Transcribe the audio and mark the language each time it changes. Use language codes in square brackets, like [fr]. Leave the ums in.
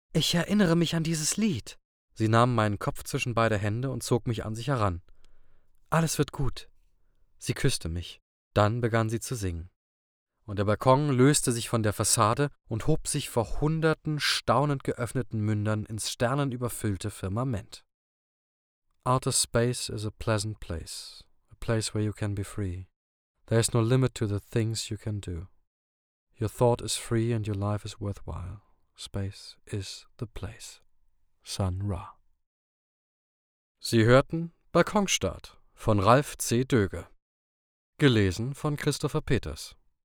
[de] Ich erinnere mich an dieses Lied. Sie nahm meinen Kopf zwischen beide Hände und zog mich an sich heran. Alles wird gut. Sie küsste mich. Dann begann sie zu singen. Und der Balkon löste sich von der Fassade und hob sich vor hunderten staunend geöffneten Mündern ins sternenüberfüllte Firmament. [en] Outer space is a pleasant place, a place where you can be free. There is no limit to the things you can do. Your thought is free and your life is worthwhile. Space is the place. Sun Ra. [de] Sie hörten Balkonstaat von Ralf C. Döge. Gelesen von Christopher Peters.